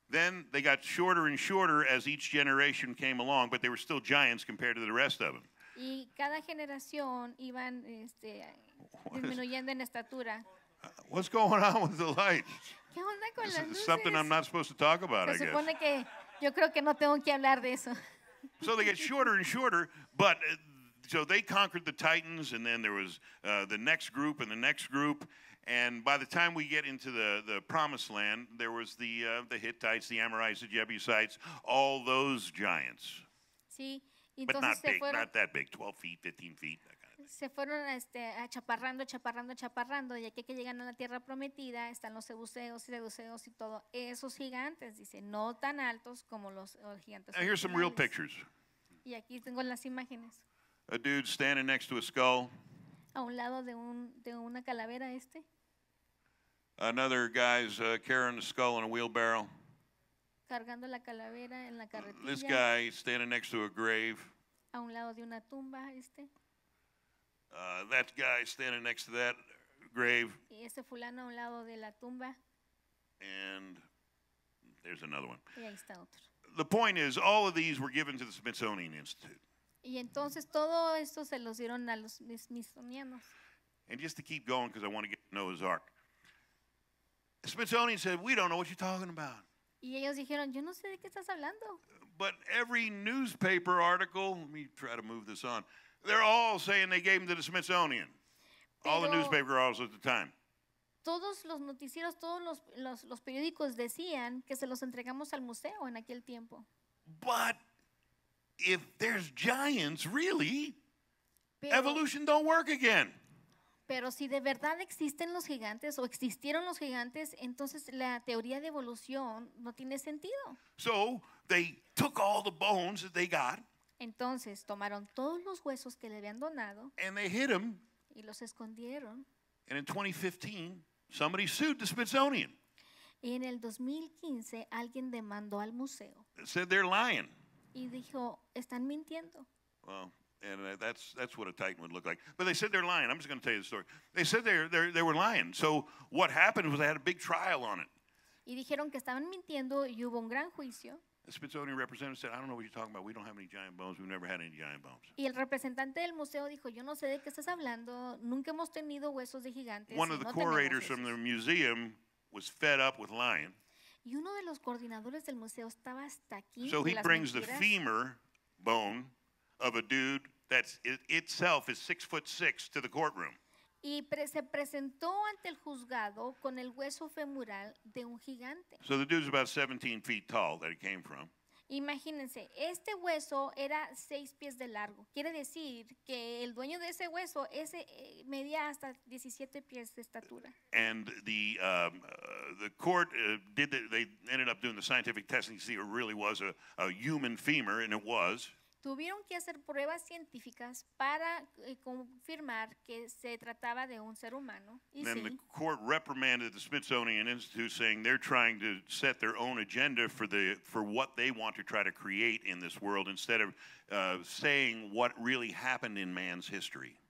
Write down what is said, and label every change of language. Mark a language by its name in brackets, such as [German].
[English] Then they got shorter and shorter as each generation came along, but they were still giants compared to the rest of them. [Spanish] Y cada generación iban disminuyendo en estatura. [English] What's going on with the light? [Spanish] ¿Qué onda con las luces? [English] Something I'm not supposed to talk about, I guess. [Spanish] Se supone que yo creo que no tengo que hablar de eso. [English] So they get shorter and shorter, but so they conquered the Titans, and then there was the next group and the next group, and by the time we get into the Promised Land, there was the Hittites, the Amorites, the Jebusites, all those giants. [Spanish] Sí, [English] but not big, not that big, 12 feet, 15 feet. [Spanish] Se fueron achaparrando, y aquí que llegan a la tierra prometida, están los ebuseos y deduceos y todo. Esos gigantes, dice, no tan altos como los gigantes. [English] Now, here's some real pictures. [Spanish] Y aquí tengo las imágenes. [English] A dude standing next to a skull. [Spanish] A un lado de una calavera este. [English] Another guy's carrying a skull in a wheelbarrow. [Spanish] Cargando la calavera en la carretilla. [English] This guy standing next to a grave. [Spanish] A un lado de una tumba este. [English] That guy standing next to that grave. [Spanish] Y ese fulano a un lado de la tumba. [English] And there's another one. [Spanish] Y ahí está otro. [English] The point is, all of these were given to the Smithsonian Institute. [Spanish] Y entonces todo esto se los dieron a los Smithsonianos. [English] And just to keep going, because I want to get Noah's Ark. The Smithsonian said, we don't know what you're talking about. [Spanish] Y ellos dijeron, yo no sé de qué estás hablando. [English] But every newspaper article, let me try to move this on. They're all saying they gave them to the Smithsonian. [Spanish] Pero [English] all the newspaper articles at the time. [Spanish] Todos los noticieros, todos los periódicos decían que se los entregamos al museo en aquel tiempo. [English] But if there's giants, really, pero, evolution don't work again. [Spanish] Pero si de verdad existen los gigantes o existieron los gigantes, entonces la teoría de evolución no tiene sentido. [English] So they took all the bones that they got. [Spanish] Entonces, tomaron todos los huesos que le habían donado [English] and they hid them. [Spanish] Y los escondieron. [English] And in 2015, somebody sued the Smithsonian. [Spanish] Y en el 2015, alguien demandó al museo. [English] It said they're lying. [Spanish] Y dijo, están mintiendo. [English] Well, and that's what a Titan would look like. But they said they're lying. I'm just going to tell you the story. They said they were lying. So what happened was they had a big trial on it. [Spanish] Y dijeron que estaban mintiendo y hubo un gran juicio. [English] The Smithsonian representative said, I don't know what you're talking about. We don't have any giant bones. We've never had any giant bones. [Spanish] Y el representante del museo dijo, yo no sé de qué estás hablando. Nunca hemos tenido huesos de gigantes. [English] One of the curators from the museum was fed up with lying. [Spanish] Y uno de los coordinadores del museo estaba hasta aquí. [English] So he brings the femur bone of a dude that's itself is 6'6" to the courtroom. [Spanish] Y se presentó ante el juzgado con el hueso femoral de un gigante. [English] So the dude's about 17 feet tall that he came from. [Spanish] Imagínense, este hueso era 6 pies de largo. Quiere decir que el dueño de ese hueso ese medía hasta 17 pies de estatura. [English] And the court they ended up doing the scientific testing to see it really was a human femur, and it was. [Spanish] Tuvieron que hacer pruebas científicas para confirmar que se trataba de un ser humano. [English] And then the court reprimanded the Smithsonian Institute, saying they're trying to set their own agenda for the for what they want to try to create in this world instead of saying what really happened in man's history.